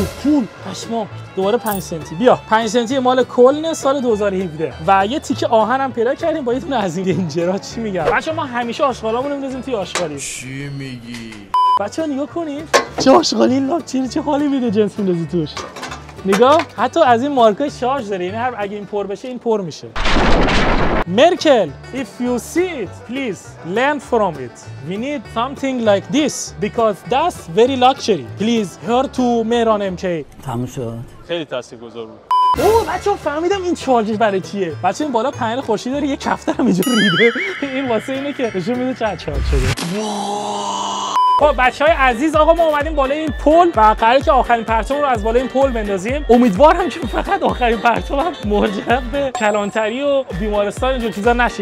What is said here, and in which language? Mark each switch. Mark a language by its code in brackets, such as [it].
[fa] پول پشما دوباره 5 سنتی. بیا 5 سنتی مال کلن سال 2017 و یه تیک آهن هم پیدا کردیم با یه تونه از این دینجرا. چی میگم بچه؟ ما همیشه آشغالامون رو میریزیم توی آشغالی. چی میگی بچه؟ نگاه کنین چه آشغالی لاکچری، چه حالی میده جنس میندازی توش. نگاه حتی از این مارکه شارژ داره، یعنی هر اگه این پر بشه این پر میشه. [en] Merkel if you see it please learn from it, we need something like this because that's very luxury, please hear to Mehran MK. [fa] تموم شد. خیلی تاثیرگذار بود. اوه بچه ها فهمیدم این چارجش برای چیه. بچه این بالا پنل خوشی داره، یه کفتر هم اینجا ریده. این واسه اینه که بهشون میده چه چارج شده. خب بچه‌های عزیز، آقا ما اومدیم بالای این پل و قراره که آخرین پرچم رو از بالای این پل بندازیم. امیدوارم که فقط آخرین پرچمم موجب به کلانتری و بیمارستان اینجور چیزا نشه.